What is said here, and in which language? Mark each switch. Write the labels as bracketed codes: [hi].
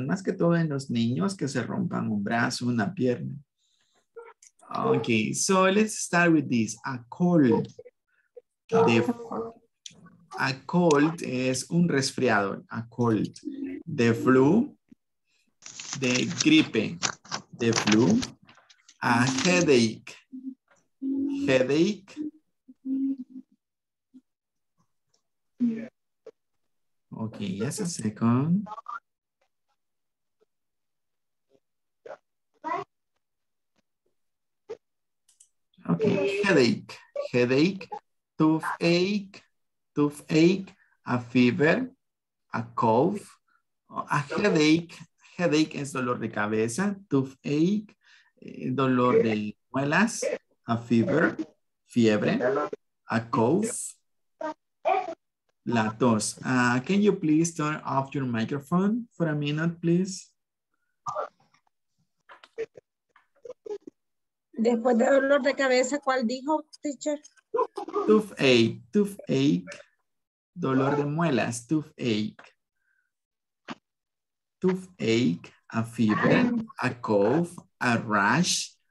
[es] Más que todo en los niños que se rompan un brazo, una pierna. [en] Okay, so let's start with this. A cold. The A cold [es] es un resfriado. [en] A cold. The flu. The gripe. The flu. A headache. Headache. Okay, just a second. Okay, headache. Headache. Toothache. Toothache. A fever. A cough. A headache. [es] Headache es dolor de cabeza. Toothache. Dolor de muelas. A fever. Fiebre. A cough. La tos. [en] Can you please turn off your microphone for a minute, please? [es] Después de dolor de cabeza, ¿cuál dijo, teacher? [en] Toothache. Toothache. [es] Dolor de muelas. [en] Toothache. Toothache. A fever. A cough. A rash.